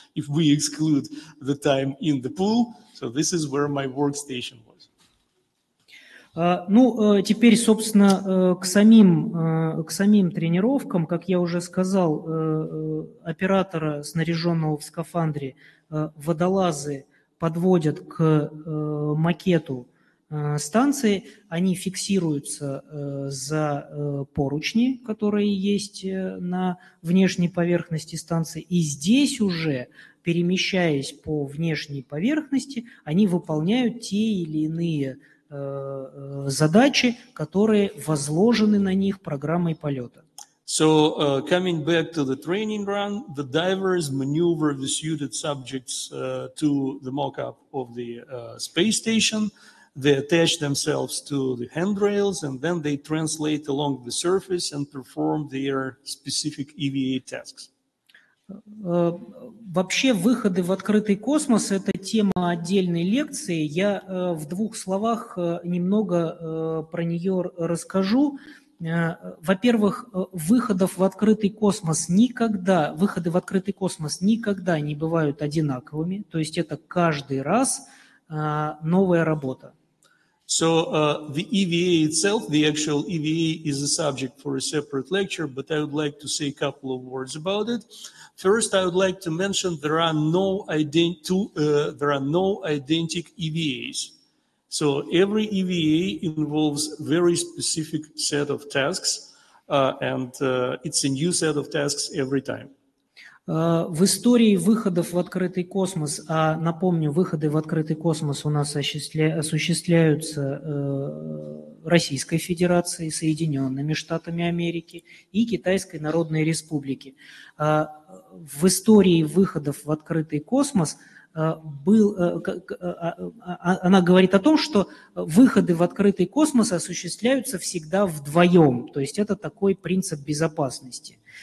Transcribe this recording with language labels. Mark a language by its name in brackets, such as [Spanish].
[English] If we exclude the time in the pool, so this is where my workstation was. [Russian] Ну, теперь, собственно, к самим тренировкам. Как я уже сказал, оператора, снаряженного в скафандре, водолазы подводят к макету станции, они фиксируются за поручни, которые есть на внешней поверхности станции, и здесь уже, перемещаясь по внешней поверхности, они выполняют те или иные задачи, которые возложены на них программой полета. [English] So, coming back to the training run, the divers maneuver the suited subjects to the mock-up of the space station. They attach themselves to the handrails, and then they translate along the surface and perform their specific EVA tasks. [Russian] Вообще, выходы в открытый космос – это тема отдельной лекции. Я в двух словах немного про нее расскажу. Во-первых, выходы в открытый космос никогда не бывают одинаковыми, то есть это каждый раз новая работа. [English] So the EVA itself, the actual EVA is a subject for a separate lecture, but I would like to say a couple of words about it. First, I would like to mention there are no identical EVAs. So every EVA involves very specific set of tasks, and it's a new set of tasks every time. [Russian] В истории выходов в открытый космос, а напомню, выходы в открытый космос у нас осуществляются Российской Федерацией, Соединенными Штатами Америки и Китайской Народной Республики. В истории выходов в открытый космос она говорит о том, что выходы в открытый космос осуществляются всегда вдвоем, то есть это такой принцип безопасности.